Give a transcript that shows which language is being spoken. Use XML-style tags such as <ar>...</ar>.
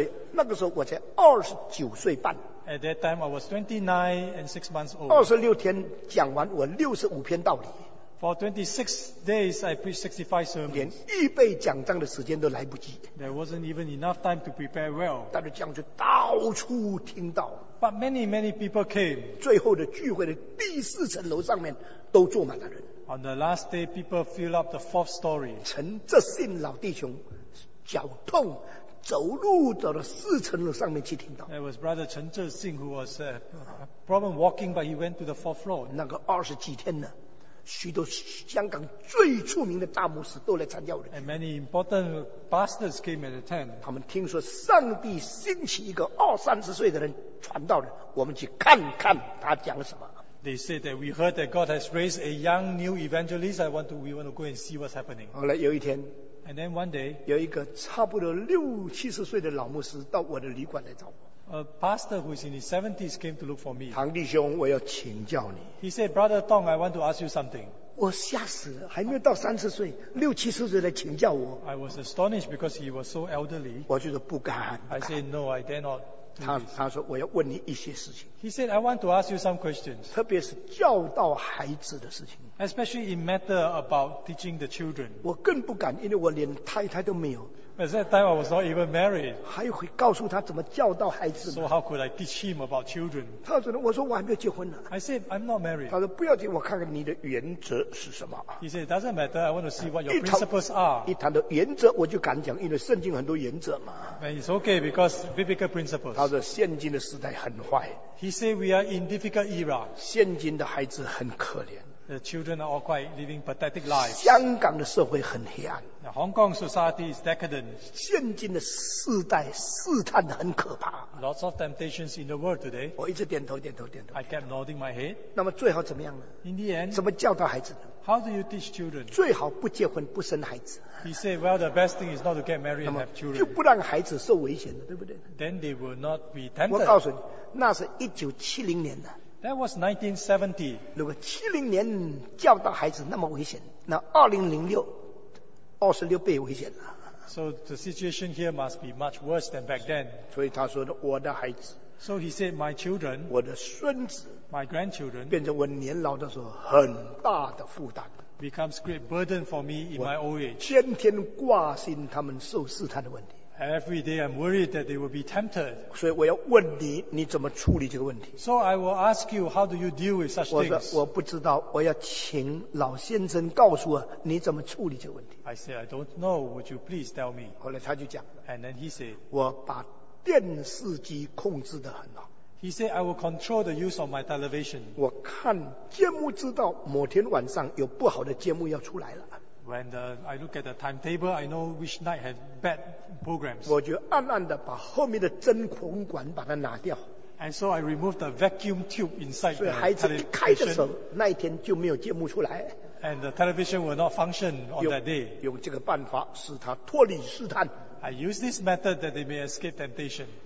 <zh>所以那个时候我才29岁半。</zh> <en>At that time, I was 29 and 6 months old.</en> <zh>26天讲完我65篇道理。</zh> <en>For 26 days, I preached 65 sermons.</en> <zh>连预备讲章的时间都来不及。</zh> <en>There wasn't even enough time to prepare well.</en> <zh>但是讲就到处听到。</zh> <en>But many, many people came.</en> <zh>最后的聚会的第四层楼上面都坐满了人。</zh> <en>On the last day, people filled up the fourth story.</en> <zh>陈泽信老弟兄脚痛，走路走到四层楼上面去听到。</zh> <en>There was brother 陈泽信 who was a problem walking, but he went to the fourth floor.</en> <zh>那个20几天呢？许多香港最出名的大牧师都来参加我的。</zh> <en>And many important pastors came and attend.</en> <zh>他们听说上帝兴起一个20-30岁的人传道的，我们去看看他讲什么。</zh> <en>They said that we heard that God has raised a young new evangelist. We want to go and see what's happening.</en> <zh>后来有一天</zh> <en>，And then one day，</en> <zh>有一个差不多60-70岁的老牧师到我的旅馆来找我。</zh> <en>A pastor who is in his 70s came to look for me.</en> <zh>唐弟兄，我要请教你。</zh> <en>He said, Brother Tong, I want to ask you something.</en> <zh>我吓死了，还没有到30岁，60-70岁来请教我。</zh> <en>I was astonished because he was so elderly.</en> <zh>我就说不敢。</zh> <en>I said, No, I dare not.</en> <zh>他说我要问你一些事情。</zh> <en>He said, I want to ask you some questions.</en> <zh>特别是教导孩子的事情。</zh> <en>Especially in matter about teaching the children.</en> <zh>我更不敢，因为我连太太都没有。</zh> <en>At that time, I was not even married.</en> <zh>还会告诉他怎么教导孩子。</zh> <en>So how could I teach him about children?</en> <zh>他说：“我说我还没有结婚呢。”</zh> <en>I said, I'm not married.</en> <zh>他说：“不要紧，我看看你的原则是什么。”</zh> <en>He said, doesn't matter. I want to see what your principles are.</en> <zh>一谈到原则，我就敢讲，因为圣经很多原则嘛。</zh> <en>And it's okay because biblical principles.</en> <zh>他说：“现今的时代很坏。”</zh> <en>He said, we are in difficult era.</en> <zh>现今的孩子很可怜。</zh> <en>The children are all quite living pathetic lives.</en> <zh>香港的社会很黑暗。</zh> <en>Now, Hong Kong society is decadent.</en> <zh>现今的世代试探很可怕。</zh> <en>Lots of temptations in the world today.</en> <zh>我一直点头点头点头。</zh> <en>I kept nodding my head.</en> <zh>那么最好怎么样呢？</zh> <en>In the end,</en> <zh>怎么教导孩子呢？</zh> <en>How do you teach children?</en> <zh>最好不结婚不生孩子。</zh> <en>He said, well, the best thing is not to get married and have children.</en> <zh>就不让孩子受危险了，对不对？</zh> <en>Then they will not be tempted.</en> <zh>我告诉你，那是1970年的。</zh> <en>That was 1970.</en> <zh>如果70年教导孩子那么危险，那2006，26倍危险了。</zh> <en>So the situation here must be much worse than back then.</en> <zh>所以他说的，我的孩子。</zh> <en>So he said, my children.</en> <zh>我的孙子。</zh> <en>My grandchildren.</en> <zh>变成我年老的时候很大的负担。</zh> <en>becomes great burden for me in my old age.</en> <zh>天天挂心他们受试探的问题。</zh> <en>Every day I'm worried that they will be tempted.</en> <zh>所以我要问你，你怎么处理这个问题？</zh> <en>So I will ask you, how do you deal with such things?</en> <zh>我说我不知道，我要请老先生告诉我你怎么处理这个问题。</zh> <en>I said, I don't know. Would you please tell me?</en> <zh>后来他就讲，</zh> <en>And then he said,</en> <zh>我把电视机控制得很好。</zh> <en>He said, I will control the use of my television.</en> <zh>我看节目知道某天晚上有不好的节目要出来了。</zh> <en>When I look at the timetable, I know which night has bad programs.</en> <zh>我就暗暗地把后面的真空管把它拿掉。</zh> <en>And so I removed the vacuum tube inside the television.</en> <zh>所以孩子一开的时候，那一天就没有节目出来。</zh> <en>And the television will not function on that day.</en> <zh>用这个办法使他脱离试探。</zh> <en>I use this method that they may escape temptation.</en>